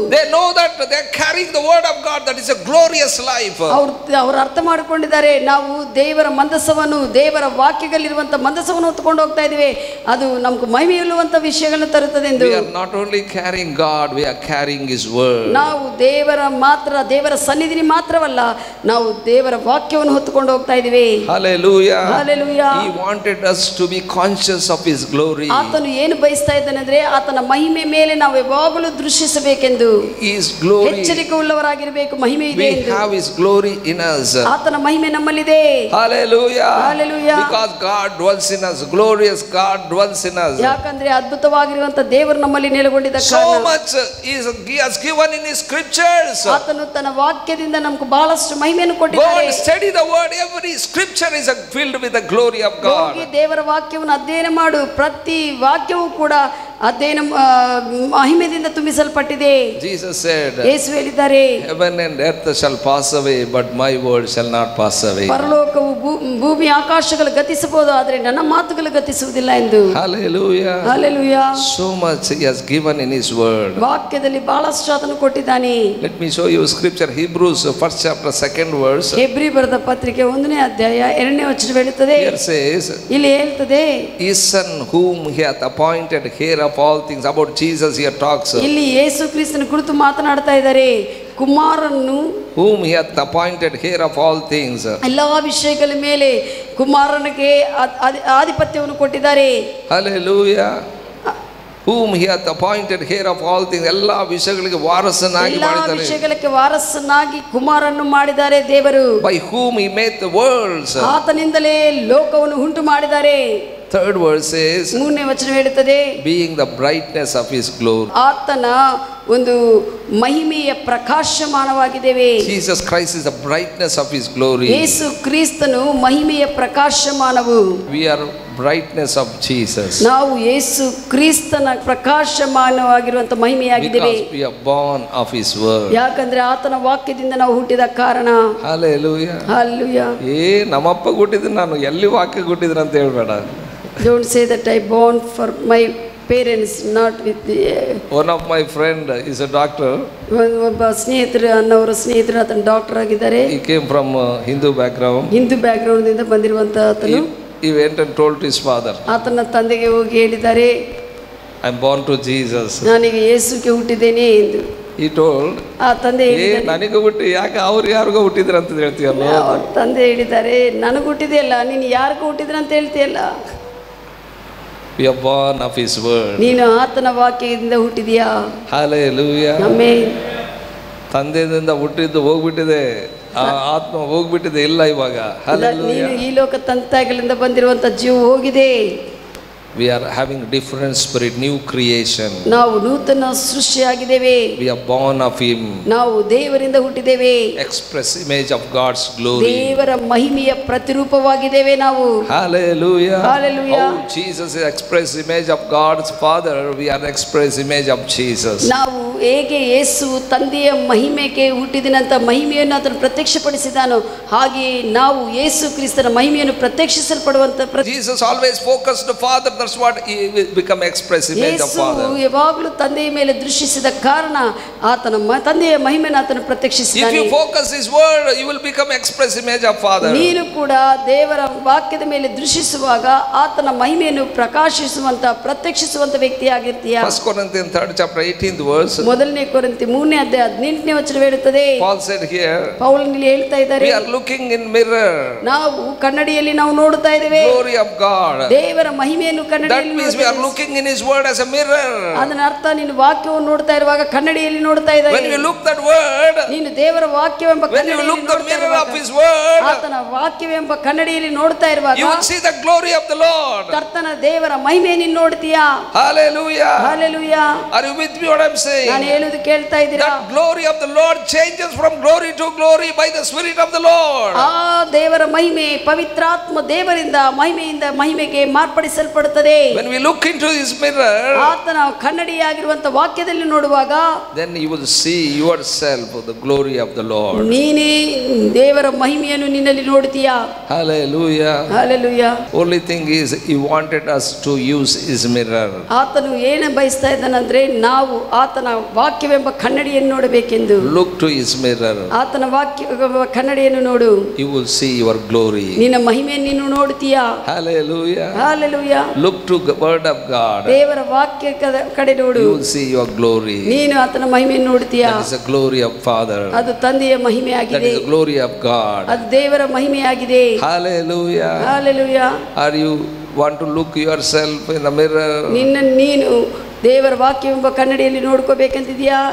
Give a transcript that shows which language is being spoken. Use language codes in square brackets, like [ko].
[en] They know that they are carrying the word of God, that is a glorious life. [kn] ಅವ್ರು ಅರ್ಥ ಮಾಡಿಕೊಂಡಿದ್ದಾರೆ, ನಾವು ದೇವರ ಮಂದಸವನ್ನು, ದೇವರ ವಾಕ್ಯಗಳಿರುವಂತಹ ಮಂದಸವನ್ನು ಹೊತ್ತುಕೊಂಡು ಹೋಗ್ತಾ ಇದೀವಿ, ಅದು ನಮ್ಗೆ ಮಹಿಮೆ ಇಲ್ಲುವಂತ ವಿಷಯಗಳನ್ನು ತರುತ್ತದೆ ಎಂದು. [en] We are not only carrying God, we are carrying his word. [kn] ನಾವು ದೇವರ ಮಾತ್ರ, ದೇವರ ಸನ್ನಿಧಿ ಮಾತ್ರವಲ್ಲ, ನಾವು ದೇವರ ವಾಕ್ಯವನ್ನು ಹೊತ್ತುಕೊಂಡು ಹೋಗ್ತಾ ಇದೀವಿ. [en] Hallelujah, hallelujah. He wanted us to be conscious of his glory. [kn] ಆತನು ಏನು ಬಯಸ್ತಾ ಇದ್ದಾನೆ ಅಂದ್ರೆ ಆತನ ಮಹಿಮೆ ಮೇಲೆ ನಾವು ಯಾವಾಗಲೂ ದೃಷ್ಟಿಸಬೇಕೆಂದು. [en] His glory, [kn] ಎಚ್ಚರಿಕೆ ಉಳ್ಳವರಾಗಿರಬೇಕು, ಮಹಿಮೆ ಇದೆ ಎಂದು. [en] Glory in us. [kn] ಆತನ ಮಹಿಮೆ ನಮ್ಮಲ್ಲಿದೆ. [en] Hallelujah, hallelujah. Because God dwells in us. Glorious God dwells in us. [kn] ಯಾಕಂದ್ರೆ ಅದ್ಭುತವಾಗಿರುವಂತ ದೇವರು ನಮ್ಮಲ್ಲಿ ನೆಲೆಗೊಂಡಿದ್ದ ಕಾರಣ. [en] So much is he has given in his scriptures. [kn] ಆತನು ತನ್ನ ವಾಕ್ಯದಿಂದ ನಮಗೆ ಬಹಳಷ್ಟು ಮಹಿಮೆಯನ್ನು ಕೊಟ್ಟಿದ್ದಾನೆ. [en] God, study the word. Every scripture is filled with the glory of God. [kn] ಹೋಗಿ ದೇವರ ವಾಕ್ಯವನ್ನು ಅಧ್ಯಯನ ಮಾಡು. ಪ್ರತಿ ವಾಕ್ಯವೂ ಕೂಡ ಅದೇನು ಮಹಿಮೆಯಿಂದ ತುಂಬಿಸಲ್ಪಟ್ಟಿದೆ. [en] Jesus said, [kn] ಯೇಸು ಹೇಳಿದ್ದಾರೆ, [en] Heaven and earth shall pass away but my word shall not pass away. [kn] ಪರಲೋಕವು ಭೂಮಿ ಆಕಾಶಗಳು ಗತಿಸಬಹುದು, ಆದರೆ ನನ್ನ ಮಾತುಗಳು ಗತಿಸುವುದಿಲ್ಲ ಎಂದು. Hallelujah, hallelujah. [en] so much he has given in his word, [kn] ವಾಕ್ಯದಲ್ಲಿ ಬಹಳಷ್ಟು ಅದನ್ನು ಕೊಟ್ಟಿದ್ದಾನೆ. [en] Let me show you scripture Hebrews first chapter second verse. [kn] Hebri ಬರೆದ ಪತ್ರಿಕೆ ಒಂದನೇ ಅಧ್ಯಾಯ ಎರಡನೇ ವಚನ ಹೇಳುತ್ತದೆ. ಇಲ್ಲಿ ಹೇಳ್ತದೆ, [en] ಈ son whom he hath appointed heir of all things about Jesus here talks. [kn] ಇಲ್ಲಿ ಯೇಸು ಕ್ರಿಸ್ತನ ಕುರಿತು ಮಾತನಾಡ್ತಾ ಇದ್ದಾರೆ, ಕುಮಾರನ್ನು. [en] Whom he hath appointed heir of all things. [kn] ಎಲ್ಲಾ ವಿಷಯಗಳ ಮೇಲೆ ಕುಮಾರನಿಗೆ ಆಧಿಪತ್ಯವನ್ನು ಕೊಟ್ಟಿದ್ದಾರೆ. [en] Hallelujah. Whom he hath appointed heir of all things. [kn] ಎಲ್ಲಾ ವಿಷಯಗಳಿಗೆ ವಾರಸನಾಗಿ ಮಾಡಿದ್ದಾರೆ. ಎಲ್ಲಾ ವಿಷಯಗಳಿಗೆ ವಾರಸನಾಗಿ ಕುಮಾರನ್ನು ಮಾಡಿದ್ದಾರೆ ದೇವರು. [en] By whom he made the worlds. [kn] ಆತನಿಂದಲೇ ಲೋಕವನ್ನು ಉಂಟು ಮಾಡಿದ್ದಾರೆ. [en] Third verse is, [kn] ಮೂರನೇ ವಚನ ಹೇಳುತ್ತದೆ, [en] being the brightness of his glory. [kn] ಆತನ ಒಂದು ಮಹಿಮೆಯ ಪ್ರಕಾಶಮಾನವಾಗಿದ್ದೇವೆ. [en] Jesus Christ is the brightness of his glory. [kn] ಯೇಸು ಕ್ರಿಸ್ತನು ಮಹಿಮೆಯ ಪ್ರಕಾಶಮಾನವು. [en] We are brightness of Jesus. [kn] ನಾವು ಯೇಸು ಕ್ರಿಸ್ತನ ಪ್ರಕಾಶಮಾನವಾಗಿರುವಂತ ಮಹಿಮೆಯಾಗಿದ್ದೇವೆ. [en] Because we are born of his word. [kn] ಯಾಕಂದ್ರೆ ಆತನ ವಾಕ್ಯದಿಂದ ನಾವು ಹುಟ್ಟಿದ ಕಾರಣ. [en] Hallelujah. Hallelujah. [kn] ಏ ನಮ್ಮಪ್ಪ ಹುಟ್ಟಿದ್ರು, ನಾನು ಎಲ್ಲಿ ವಾಕ್ಯ ಹುಟ್ಟಿದ್ರು ಅಂತ ಹೇಳಬೇಡ. [en] Don't say that I born for my parents, not with the one of my friend is a doctor. [kn] ಸ್ನೇಹಿತರು ಅನ್ನವರ ಸ್ನೇಹಿತರು ಆತನ ಡಾಕ್ಟರ್ ಆಗಿದ್ದಾರೆ. [en] He came from Hindu background. [kn] Hindu background ಇಂದ ಬಂದಿರುವಂತ ಆತನು. [en] He went and told his father. [kn] ಆತನ ತಂದೆಗೆ ಹೋಗಿ ಹೇಳಿದ್ದಾರೆ, [en] I'm born to Jesus. [kn] ನನಗೆ ಯೇಸುಗೆ ಹುಟ್ಟಿದ್ದೇನೆ ಎಂದು. [en] He told. [kn] ಆ ತಂದೆ ಹೇಳಿದ್ದಾರೆ, ನನಗೆ ಹುಟ್ಟಿ ಯಾಕೆ ಅವ್ರು ಯಾರಿಗೋ ಹುಟ್ಟಿದ್ರು ಅಂತ ಹೇಳ್ತೀಯಲ್ಲ. ತಂದೆ ಹೇಳಿದ್ದಾರೆ, ನನಗೆ ಹುಟ್ಟಿದೆಯಲ್ಲ, ನೀನು ಯಾರಿಗೆ ಹುಟ್ಟಿದ್ರು ಅಂತ ಹೇಳ್ತೀಯಲ್ಲ. [en] We are born of his word. [kn] ನೀನು ಆತನ ವಾಕ್ಯದಿಂದ ಹುಟ್ಟಿದೆಯಾ? [en] Hallelujah. [kn] ಆಮೆನ್. ತಂದೆಯಿಂದ ಹುಟ್ಟಿದ್ದು ಹೋಗ್ಬಿಟ್ಟಿದೆ, ಆತ್ಮ ಹೋಗ್ಬಿಟ್ಟಿದೆ, ಇಲ್ಲ ಇವಾಗ. ನೀನು ಈ ಲೋಕ ತಂತಗಳಿಂದ ಬಂದಿರುವಂತ ಜೀವ ಹೋಗಿದೆ. [en] We are having different spirit, new creation. [kn] ನಾವು ನೂತನ ಸೃಷ್ಟಿಯಾಗಿದ್ದೇವೆ. [en] We are born of him. [kn] ನಾವು ದೇವರಿಂದ ಹುಟ್ಟಿದ್ದೇವೆ. [en] Express image of God's glory. [kn] ದೇವರ ಮಹಿಮೆಯ ಪ್ರತಿರೂಪವಾಗಿದ್ದೇವೆ ನಾವು. [en] Hallelujah. Hallelujah. Oh, Jesus is express image of God's father. We are express image of Jesus. [kn] ನಾವು ಹೇಗೆ ಯೇಸು ತಂದೆಯ ಮಹಿಮೆಗೆ ಹುಟ್ಟಿದನಂತ ಮಹಿಮೆಯನ್ನು ಆತನು ಪ್ರತ್ಯಕ್ಷಪಡಿಸಿದಾನೋ ಹಾಗೆ ನಾವು ಯೇಸು ಕ್ರಿಸ್ತನ ಮಹಿಮೆಯನ್ನು ಪ್ರತ್ಯಕ್ಷಿಸಲ್ಪಡುವಂತ. [en] Jesus always focused the father. That's what he become express image of father. [kn] ಯೇಸು ಯಾವಾಗಲು ತಂದೆಯ ಮೇಲೆ ದೃಷ್ಟಿಸಿದ ಕಾರಣ ಆತನ ತಂದೆಯ ಮಹಿಮೆಯನ್ನು ಆತನು ಪ್ರತ್ಯಕ್ಷಿಸಿದಾನೆ. [en] If you focus his word, you will become express image of father. [kn] ನೀನು ಕೂಡ ದೇವರ ವಾಕ್ಯದ ಮೇಲೆ ದೃಷ್ಟಿಸುವಾಗ ಆತನ ಮಹಿಮೆಯನ್ನು ಪ್ರಕಾಶಿಸುವಂತ ಪ್ರತ್ಯಕ್ಷಿಸುವಂತ ವ್ಯಕ್ತಿಯಾಗಿರ್ತೀಯ. [en] 1 Corinthians 3rd chapter 18th verse. [kn] ಮೊದಲನೇ ಕೊರಿಂಥಿ ಮೂರನೇ ಅಧ್ಯಾಯ 18ನೇ ವಚನ ಹೇಳುತ್ತದೆ. [en] Paul said here. [kn] ಪೌಲನಿಗೆ ಹೇಳ್ತಾ ಇದ್ದಾರೆ. [en] We are looking in mirror. [kn] ನಾವು ಕನ್ನಡಿಯಲ್ಲಿ ನಾವು ನೋಡುತ್ತಾ ಇದ್ದೇವೆ. [en] Glory of God. [kn] ದೇವರ ಮಹಿಮೆಯನ್ನು ಕನ್ನಡಿಯಲ್ಲಿ. [en] That means we are looking in his word as a mirror. [kn] ಅದನ ಅರ್ಥ ನೀನು ವಾಕ್ಯವನ್ನು ನೋಡ್ತಾ ಇರುವಾಗ ಕನ್ನಡಿಯಲ್ಲಿ ನೋಡ್ತಾ ಇದ್ದಾರೆ. [en] When you look that word. [kn] ನೀನು ದೇವರ ವಾಕ್ಯವೆಂಬ ಕನ್ನಡಿಯಲ್ಲಿ ನೋಡ್ತಾ ಇರುವಾಗ. [en] When you look the mirror of his word. [kn] ಆತನ ವಾಕ್ಯವೆಂಬ ಕನ್ನಡಿಯಲ್ಲಿ ನೋಡ್ತಾ ಇರುವಾಗ. [en] You will see the glory of the Lord. [kn] ಕರ್ತನ ದೇವರ ಮಹಿಮೆಯನ್ನು ನೋಡ್ತೀಯಾ? [en] Hallelujah. Hallelujah. Are you with me what I'm saying? [kn] ನಾನು ಹೇಳೋದು ಕೇಳ್ತಾ ಇದ್ದೀರಾ? [en] That glory of the Lord changes from glory to glory by the spirit of the Lord. [kn] ಆ ದೇವರ ಮಹಿಮೆ ಪವಿತ್ರಾತ್ಮ ದೇವರಿಂದ ಮಹಿಮೆಯಿಂದ ಮಹಿಮೆಗೆ ಮಾರ್ಪಡಿಸಲ್ಪಡುತ್ತದೆ. [en] When we look into his mirror. [kn] ಆತನ ಕನ್ನಡಿಯಾಗಿರುವಂತ ವಾಕ್ಯದಲ್ಲಿ ನೋಡುವಾಗ. [en] Then you will see yourself the glory of the Lord. [kn] ನೀನೇ ದೇವರ ಮಹಿಮೆಯನ್ನು ನಿನ್ನಲ್ಲಿ ನೋಡ್ತೀಯಾ? [en] Hallelujah. Hallelujah. Only thing is he wanted us to use his mirror. [kn] ಆತನು ಏನು ಬಯಸ್ತಾ ಇದ್ದಾನಂದ್ರೆ ನಾವು ಆತನ ವಾಕ್ಯವೆಂಬ ಕನ್ನಡಿಯನ್ನು ನೋಡಬೇಕೆಂದು. [en] Look to his mirror. [kn] ಆತನ ವಾಕ್ಯ ಕನ್ನಡಿಯನ್ನು ನೋಡು. [en] You will see your glory. [kn] ನಿನ್ನ ಮಹಿಮೆಯನ್ನು ನೀನು ನೋಡ್ತೀಯಾ? [en] Hallelujah. Hallelujah. Look to the word of God. [kn] ದೇವರ ವಾಕ್ಯ ಕಡೆ ನೋಡು. [en] You will see your glory. [kn] ನೀನು ಆತನ ಮಹಿಮೆಯನ್ನು ನೋಡ್ತೀಯಾ? [en] That is the glory of father. [kn] ಅದು ತಂದೆಯ ಮಹಿಮೆಯಾಗಿದೆ. [en] That is the glory of God. [kn] ಅದು ದೇವರ ಮಹಿಮೆಯಾಗಿದೆ. [en] Hallelujah. Hallelujah. Are you want to look yourself in the mirror? [kn] ನಿನ್ನ ನೀನು ದೇವರ ವಾಕ್ಯವೆಂಬ ಕನ್ನಡಿಯಲ್ಲಿ ನೋಡ್ಕೋಬೇಕಂತಿದೆಯಾ?